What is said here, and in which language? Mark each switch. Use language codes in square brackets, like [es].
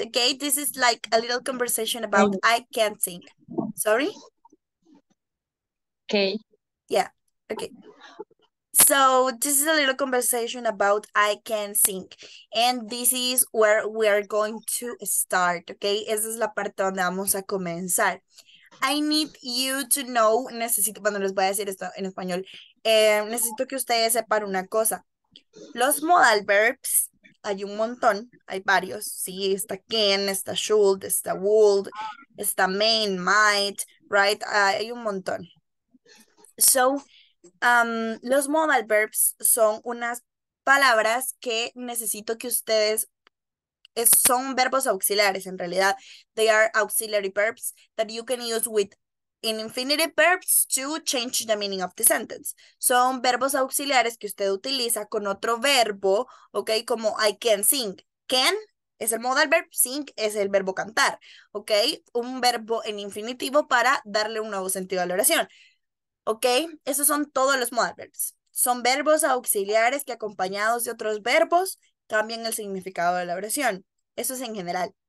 [en] Okay, this is like a little conversation about I can't sing. Sorry? Okay. Yeah, okay. So this is a little conversation about I can sing. And this is where we are going to start, okay? [es] Esa es la parte donde vamos a comenzar. [en] I need you to know, [es] necesito, bueno, les voy a decir esto en español. Necesito que ustedes sepan una cosa. Los modal verbs, hay un montón, hay varios. Sí, está can, está should, está would, está may, might, right? Hay un montón. So, los modal verbs son unas palabras que necesito que ustedes son verbos auxiliares, en realidad. [en] They are auxiliary verbs that you can use with infinitive verbs to change the meaning of the sentence. [es] Son verbos auxiliares que usted utiliza con otro verbo, ¿ok? Como [en] I can sing. [es] Can es el modal verb, sing es el verbo cantar, ¿ok? Un verbo en infinitivo para darle un nuevo sentido a la oración, ¿ok? Esos son todos los modal verbs. Son verbos auxiliares que acompañados de otros verbos cambian el significado de la oración. Eso es en general.